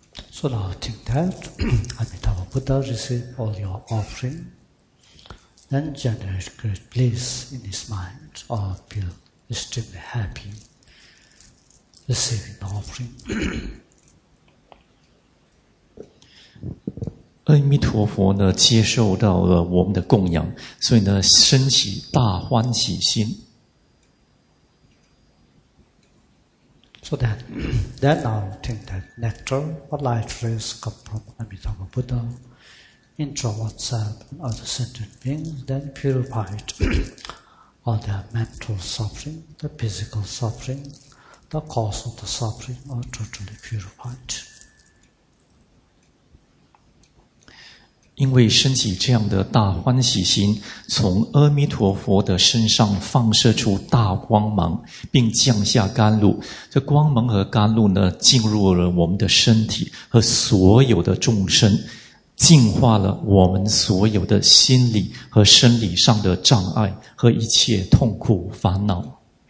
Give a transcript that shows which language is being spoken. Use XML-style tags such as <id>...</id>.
<en>So now think that Amitabha Buddha receive all your offering, then generate great bliss in his mind, or feel extremely happy receiving the offering.</en> <zh>阿弥陀佛呢，接受到了我们的供养，所以呢，升起大欢喜心。</zh> <en>So then now think that nectar or light rays come from Amitabha Buddha, into oneself and other sentient beings, then purified all their mental suffering, the physical suffering, the cause of the suffering are totally purified.</en> <zh>因为升起这样的大欢喜心，从阿弥陀佛的身上放射出大光芒，并降下甘露。这光芒和甘露呢，进入了我们的身体和所有的众生，净化了我们所有的心理和生理上的障碍和一切痛苦烦恼。</zh>